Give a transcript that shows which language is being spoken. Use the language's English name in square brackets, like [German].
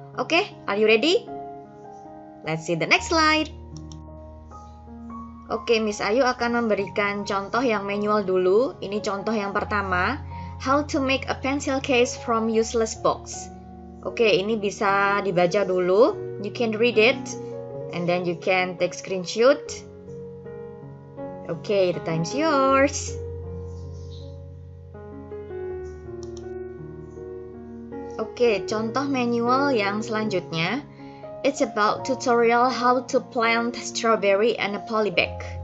[English] Oke, are you ready? Let's see the next slide. [Indonesian] Oke, Miss Ayu akan memberikan contoh yang manual dulu. Ini contoh yang pertama, [English] how to make a pencil case from useless box. [Indonesian] Oke, ini bisa dibaca dulu. [English] You can read it and then you can take screenshot. Oke, the time's yours. [Indonesian] Oke, contoh manual yang selanjutnya. [English] It's about tutorial how to plant strawberry and a polybag.